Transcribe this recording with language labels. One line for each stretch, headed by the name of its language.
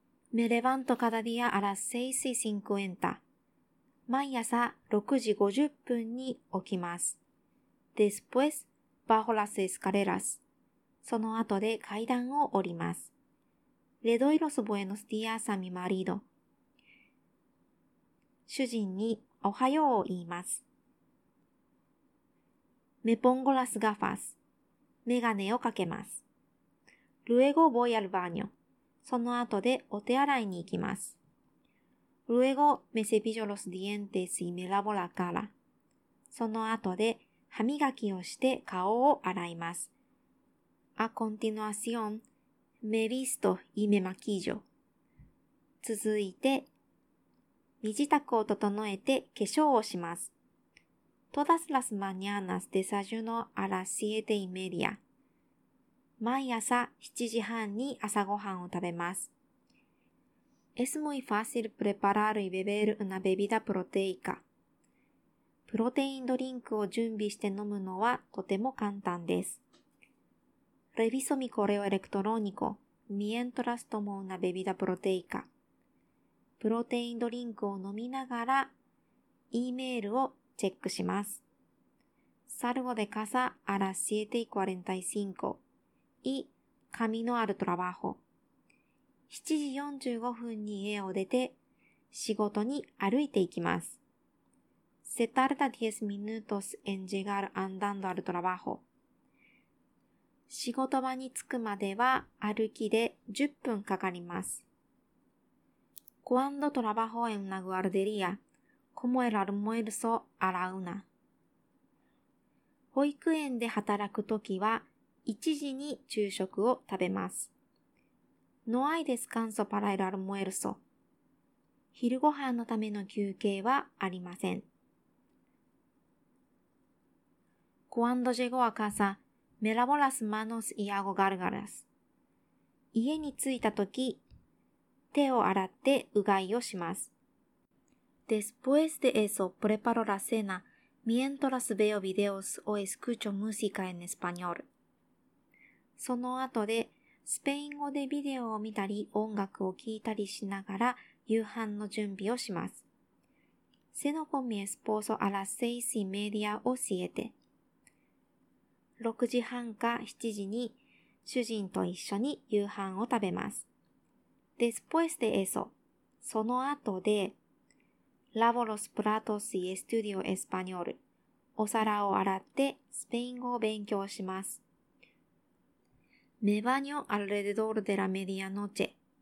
Spanish: Me levanto cada día a las 6:50.
Japanese: 毎朝6時50分に起きます。
Spanish: Después bajo las escaleras.
Japanese: その後で階段を降ります。
Spanish: Le doy los buenos días a mi marido.
Japanese: 主人におはようを言います。
Spanish: Me pongo las gafas.
Japanese: メガネをかけます。
Spanish: Luego voy al baño.
Japanese: その後でお手洗いに行きます。
Spanish: Luego me cepillo los dientes y me lavo la cara.
Japanese: その後で歯磨きをして顔を洗います。
Spanish: A continuación, me visto y me maquillo.
Japanese: 続いて、身支度を整えて化粧をします。
Spanish: Todas las mañanas desayuno a las 7:30.
Japanese: 毎朝7時半に朝ごはんを食べます。
Spanish: Es muy fácil preparar y beber una bebida proteica.
Japanese: プロテインドリンクを準備して飲むのはとても簡単です。
Spanish: Reviso mi correo electrónico mientras tomo una bebida proteica.
Japanese: プロテインドリンクを飲みながら、E メールをチェックします。
Spanish: Salgo de casa a las 7:45 y camino al trabajo.
Japanese: 7時45分に家を出て、仕事に歩いていきます。
Spanish: Se tarda 10 minutos en llegar andando al trabajo.
Japanese: 仕事場に着くまでは歩きで10分かかります。
Spanish: Cuando trabajo en una guardería, como el almuerzo a la una.
Japanese: 保育園で働くときは、1時に昼食を食べます。
Spanish: No hay descanso para el almuerzo.
Japanese: 昼ごはんのための休憩はありません。
Spanish: Cuando llego a casa, me lavo las manos y hago gárgaras.
Japanese: 家に着いたとき、手を洗ってうがいをします。
Spanish: Después de eso, preparo la cena mientras veo videos o escucho música en español.
Japanese: その後で、スペイン語でビデオを見たり音楽を聴いたりしながら夕飯の準備をします。
Spanish: Ceno con mi esposo a las 6:30 o 7.
Japanese: 6時半か7時に主人と一緒に夕飯を食べます。
Spanish: Después de eso,
Japanese: その後で、
Spanish: Lavo los platos y estudio español.
Japanese: お皿を洗ってスペイン語を勉強します。
Spanish: Me baño alrededor de la medianoche.